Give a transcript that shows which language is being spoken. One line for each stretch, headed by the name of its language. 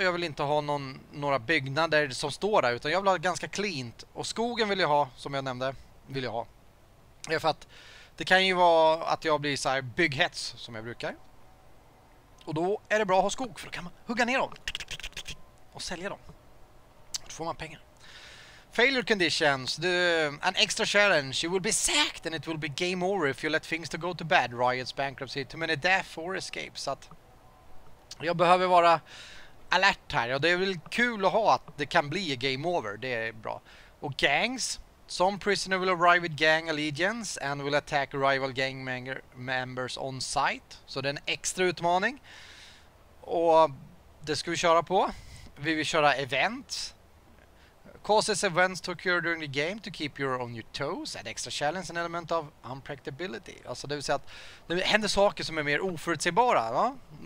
Swedish: Jag vill inte ha några byggnader som står där, utan jag vill ha ganska cleant. Och skogen vill jag ha, som jag nämnde, vill jag ha. Det är för att det kan ju vara att jag blir så här bygghets som jag brukar. Och då är det bra att ha skog, för då kan man hugga ner dem och sälja dem. Då får man pengar.
English: Failure conditions. An extra challenge. You will be sacked and it will be game over if you let things to go to bad. Riots, bankruptcy, too many death or escape.
Swedish: Så att jag behöver vara alert här. Och det är väl kul att ha att det kan bli game over. Det är bra. Och gangs.
English: Some prisoner will arrive with gang allegiance and will attack rival gang members on site.
Swedish: Så det är en extra utmaning. Och det ska vi köra på. Vi vill köra event.
English: Causes events to occur during the game to keep you on your toes. Add extra challenge and element of unpredictability.
Swedish: Alltså det vill säga att det händer saker som är mer oförutsägbara. Va?